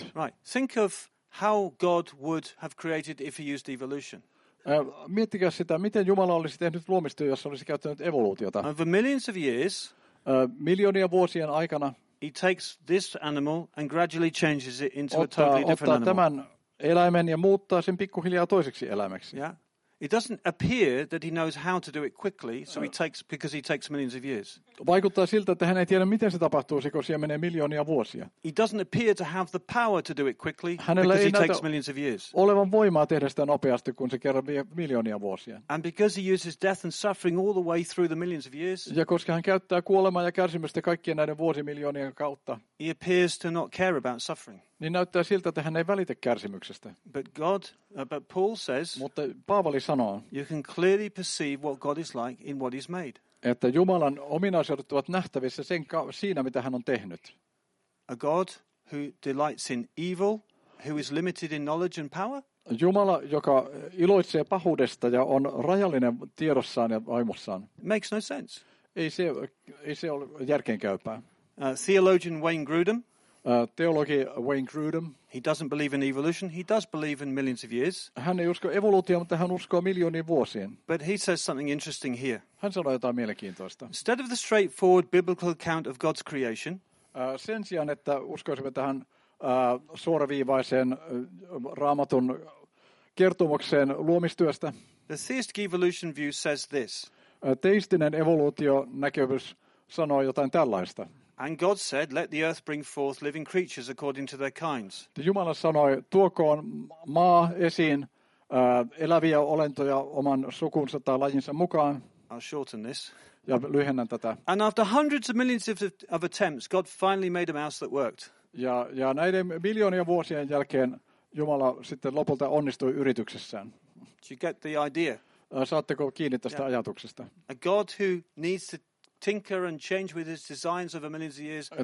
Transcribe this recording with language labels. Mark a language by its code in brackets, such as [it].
[en] Right. Think of how God would have created if he used evolution. [fi] Miettikää sitä, miten Jumala olisi tehnyt luomistyön, jos olisi käyttänyt evoluutiota. [en] Over millions of years. [fi] Miljoonia vuosien aikana. [en] He takes this animal and gradually changes it into a totally different [fi] ottaa [en] animal. [fi] Tämän eläimen ja muuttaa sen pikkuhiljaa toiseksi eläimeksi. [en] Yeah. It doesn't appear that he knows how to do it quickly, so he takes millions of years. [fi] vaikuttaa siltä, että hän ei tiedä, miten se tapahtuu, koska siellä menee miljoonia vuosia. [en] He doesn't appear to have the power to do it quickly, because it takes millions of years. [fi] Olevan voimaa tehdä sitä nopeasti, kun se kerran vie miljoonia vuosia. [en] And because he uses death and suffering all the way through the millions of years. [fi] Ja koska hän käyttää kuolemaa ja kärsimystä kaikkien näiden vuosimiljoonien kautta. [en] He appears to not care about suffering. [fi] Niin näyttää siltä, että hän ei välitä kärsimyksestä. [en] But God, but Paul says, [fi] mutta Paavali sanoo, [en] you can clearly perceive what God is like in what he's made. [fi] Että Jumalan ominaisuudet ovat nähtävissä sen siinä, mitä hän on tehnyt. [en] A God who delights in evil, who is limited in knowledge and power. [fi] Jumala, joka iloitsee pahuudesta ja on rajallinen tiedossaan ja aimossaan. [en] Makes no sense. [fi] Ei se ole järkeenkäypää. [en] Theologian Wayne Grudem. [fi] Teologi Wayne Grudem. [en] He doesn't believe in evolution. He does believe in millions of years. [fi] Hän ei usko evoluutioon, mutta hän uskoo miljooniin vuosiin. [en] But he says something interesting here. [fi] Hän sanoo jotain mielenkiintoista. [en] Instead of the straightforward biblical account of God's creation, [fi] sen sijaan, että uskoisimme tähän suoraviivaiseen Raamatun kertomukseen luomistyöstä. [en] The theistic evolution view says this. [fi] Teistinen evoluutionäkemys sanoo jotain tällaista. [en] And God said, let the earth bring forth living creatures according to their kinds. [fi] Jumala sanoi, tuokoon maa esiin eläviä olentoja oman sukunsa tai lajinsa mukaan. [en] I'll shorten this. [fi] Ja lyhennän tätä. [en] And after hundreds of millions of attempts, God finally made a mouse that worked. [fi] Ja näiden miljoonien vuosien jälkeen Jumala sitten lopulta onnistui yrityksessään. [en] Do you get the idea? [fi] Saatteko kiinni tästä ajatuksesta? [en] A God who needs to tinker and change with his designs over millions of years.